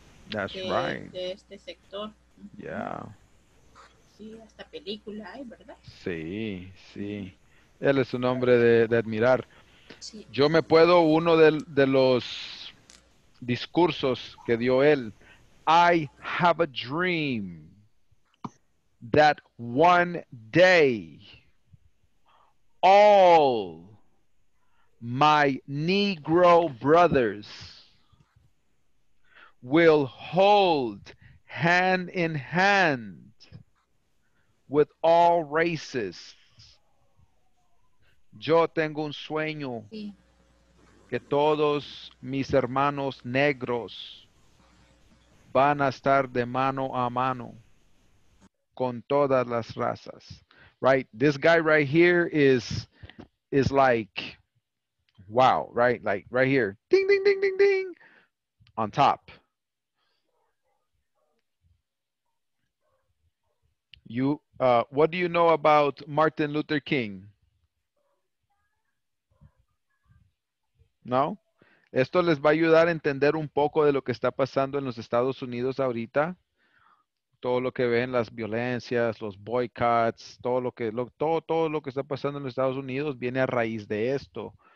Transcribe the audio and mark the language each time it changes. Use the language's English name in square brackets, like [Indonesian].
[English] That's [Spanish] de [English] right. [Spanish] este sector. [English] Yeah. [Spanish] Sí, hasta película hay, ¿verdad? Sí. Él es un hombre de admirar. Sí. Yo me puedo uno de los discursos que dio él. [English] I have a dream that one day all my Negro brothers will hold hand in hand with all races. [Spanish] Yo tengo un sueño Sí. que todos mis hermanos negros van a estar de mano a mano con todas las razas. [English] Right? This guy right here is like, wow, right? Like right here, ding, ding, ding, ding, ding, on top. What do you know about Martin Luther King? [Spanish] ¿No? Esto les va a ayudar a entender un poco de lo que está pasando en los Estados Unidos ahorita. Todo lo que ven, las violencias, los boycotts, todo lo que está pasando en los Estados Unidos viene a raíz de esto.